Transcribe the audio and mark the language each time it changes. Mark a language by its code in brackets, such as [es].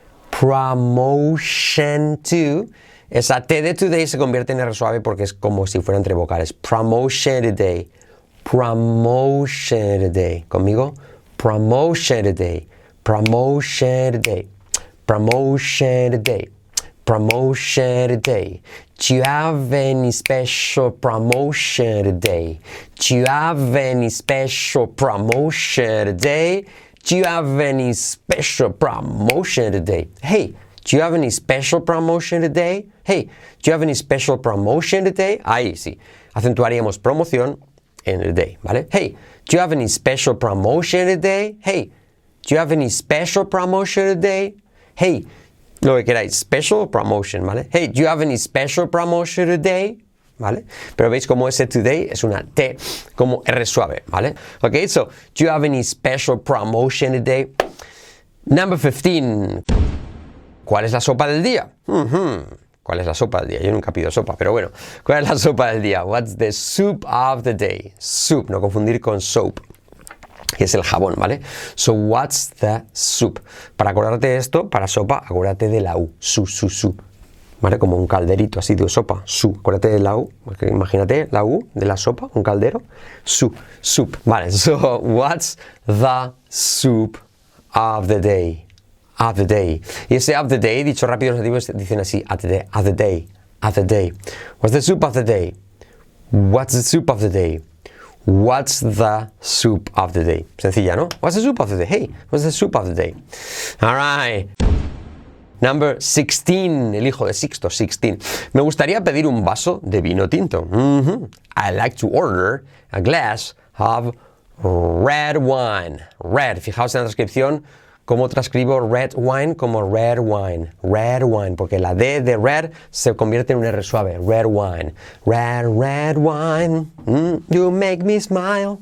[en] Promotion to. [es] Esa T de today se convierte en R suave porque es como si fuera entre vocales. [en] Promotion today. Promotion today. [es] ¿Conmigo? [en] Promotion today, promotion today, promotion today, promotion today. Do you have any special promotion today? Do you have any special promotion today? Do you have any special promotion today? Hey, do you have any special promotion today? Hey, do you have any special promotion today? [es] Ahí sí, acentuaríamos promoción en el day, ¿vale? [en] Hey, do you have any special promotion today? Hey, do you have any special promotion today? Hey, [es] lo que queráis, [en] special promotion, ¿vale? Hey, do you have any special promotion today? ¿vale? [es] Pero veis cómo ese today es una T, como R suave, ¿vale? [en] Ok, so, do you have any special promotion today? Number 15. [es] ¿Cuál es la sopa del día? ¿Cuál es la sopa del día? Yo nunca pido sopa, pero bueno. ¿Cuál es la sopa del día? [en] What's the soup of the day? [es] Soup, no confundir con soap, que es el jabón, ¿vale? [en] So, what's the soup? [es] Para acordarte de esto, para sopa, acuérdate de la U. Su, su, su. ¿Vale? Como un calderito así de sopa. Su. Acuérdate de la U. Imagínate la U de la sopa, un caldero. [en] Su. Soup. Vale. So, what's the soup of the day? Of the day. [es] Y ese of the day, dicho rápido, los nativos dicen así. [en] At the day. At the day. At the day. What's the soup of the day? What's the soup of the day? What's the soup of the day? [es] Sencilla, ¿no? [en] What's the soup of the day? Hey, what's the soup of the day? All right. Number 16, [es] el hijo de Sixto, [en] 16. [es] Me gustaría pedir un vaso de vino tinto. [en] I'd like to order a glass of red wine. [es] Red, fijaos en la transcripción cómo transcribo red wine como red wine. Red wine, porque la D de red se convierte en un R suave. Red wine. [en] Red, red wine, you make me smile.